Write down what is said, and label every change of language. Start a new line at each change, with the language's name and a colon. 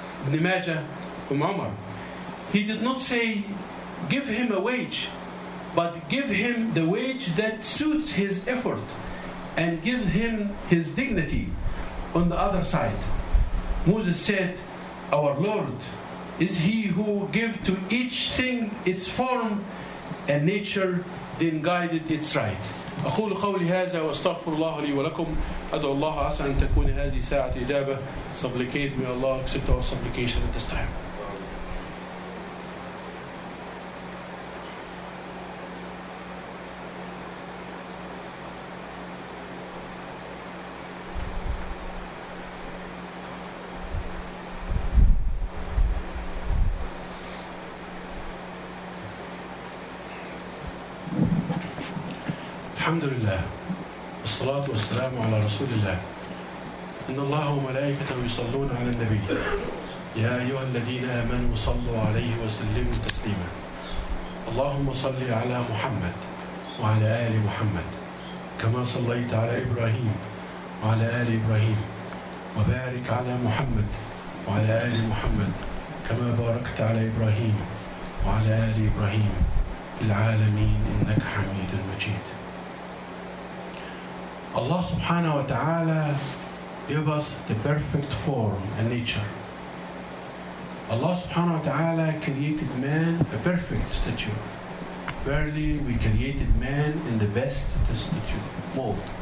English: Ibn Majah, Umar. He did not say, give him a wage, but give him the wage that suits his effort and give him his dignity. On the other side, Moses said, our Lord is he who give to each thing its form and nature, then guided its right.
Arabic: أقول قولي هذا وأستغفر الله لي ولكم أدعو الله عسى أن تكون هذه ساعة إجابة.
English: Supplicate, may Allah accept our supplication at this time.
Arabic: الحمد لله والصلاة والسلام على رسول الله إن الله وملائكته يصلون على النبي يا أيها الذين آمنوا صلوا عليه وسلموا تسليما اللهم صل على محمد وعلى آل محمد كما صليت على إبراهيم وعلى آل إبراهيم وبارك على محمد وعلى آل محمد كما باركت على إبراهيم وعلى آل إبراهيم في العالمين إنك حميد مجيد.
English: Allah subhanahu wa ta'ala gave us the perfect form and nature. Allah subhanahu wa ta'ala created man a perfect statue. Verily, we created man in the best statue, mold.